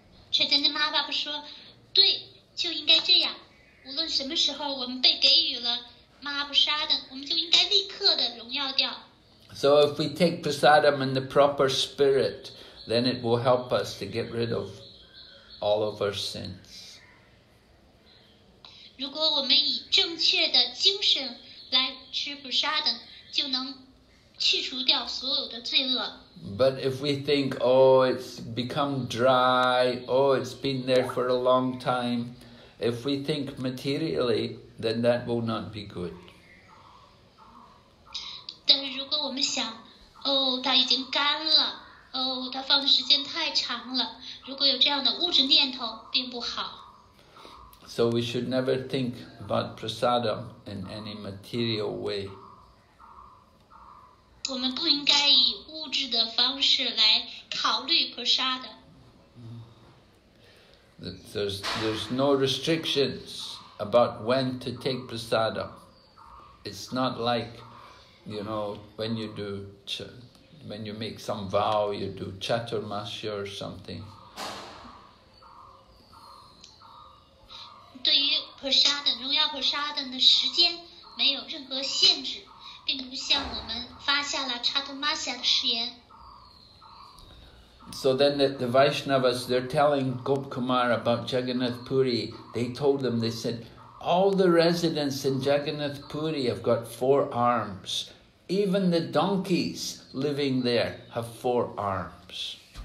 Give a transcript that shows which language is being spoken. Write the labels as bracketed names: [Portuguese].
[Chinese] Chaitanya Mahaprabhu 说，对，就应该这样。无论什么时候我们被给予了Mahaprasadam，我们就应该立刻的荣耀掉。 [English] So if we take prasadam in the proper spirit, then it will help us to get rid of all of our sins. [Chinese] 如果我们以正确的精神来吃不杀的，就能去除掉所有的罪恶。 [English] But if we think, oh, it's become dry, oh, it's been there for a long time, if we think materially, then that will not be good. [Chinese] 但如果我们想，哦，它已经干了，哦，它放的时间太长了，如果有这样的物质念头，并不好。 [English] So we should never think about prasadam in any material way. [Chinese] 我们不应该以物质的方式来考虑 prasadam. [English] There's no restrictions about when to take prasadam. It's not like, you know, when you make some vow, you do chaturmasya or something. [Chinese] 对于普沙的荣耀普沙的时间没有任何限制，并不像我们发下了查托玛夏的誓言。 [English] So then the Vaishnavas, they're telling Gop Kumar about Jagannath Puri. They told them, they said, all the residents in Jagannath Puri have got four arms. Even the donkeys living there have four arms.